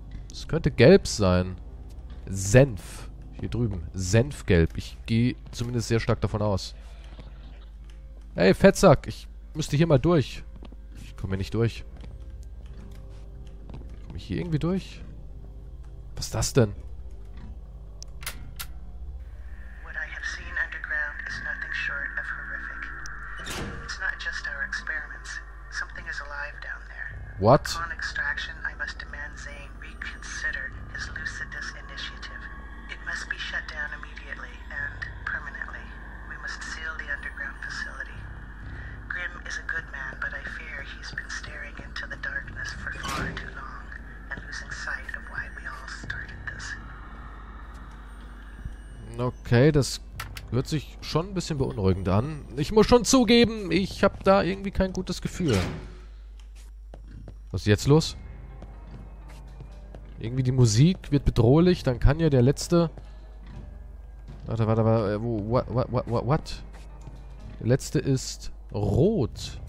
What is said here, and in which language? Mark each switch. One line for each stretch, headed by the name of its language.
German: Es könnte gelb sein. Senf. Hier drüben. Senfgelb. Ich gehe zumindest sehr stark davon aus. Ey, Fettsack, ich müsste hier mal durch. Ich komme hier nicht durch. Komme ich hier irgendwie durch? Was ist das denn?
English: What I have seen underground is nothing short of horrific. It's not just our experiments. Something is alive down there. What? Upon extraction, I must demand Zane reconsider his Lucidus initiative. It must be shut down immediately and permanently. We must seal the underground facility. Grim is a good man, but I fear he's been staring into the darkness for far too long and losing sight of why we all started this.
German: Okay, das hört sich schon ein bisschen beunruhigend an. Ich muss schon zugeben, ich habe da irgendwie kein gutes Gefühl. Was ist jetzt los? Irgendwie die Musik wird bedrohlich, dann kann ja der letzte... Warte, warte, warte, what? Der letzte ist... Rot.